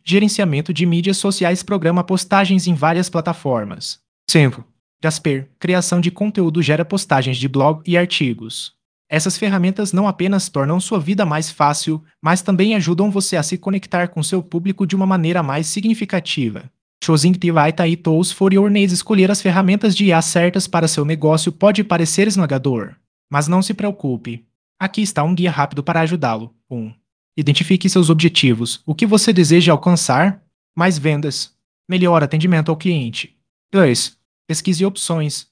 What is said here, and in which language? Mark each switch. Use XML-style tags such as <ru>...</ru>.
<pt>Gerenciamento de mídias sociais programa postagens em várias plataformas. 5. Jasper. Criação de conteúdo gera postagens de blog e artigos. Essas ferramentas não apenas tornam sua vida mais fácil, mas também ajudam você a se conectar com seu público de uma maneira mais significativa.</pt> <en>Choosing the right AI tools for your needs.</en> <pt>Escolher as ferramentas de IA certas para seu negócio pode parecer esmagador. Mas não se preocupe. Aqui está um guia rápido para ajudá-lo. 1. Identifique seus objetivos. O que você deseja alcançar? Mais vendas. Melhor atendimento ao cliente. 2. Pesquise opções.</pt>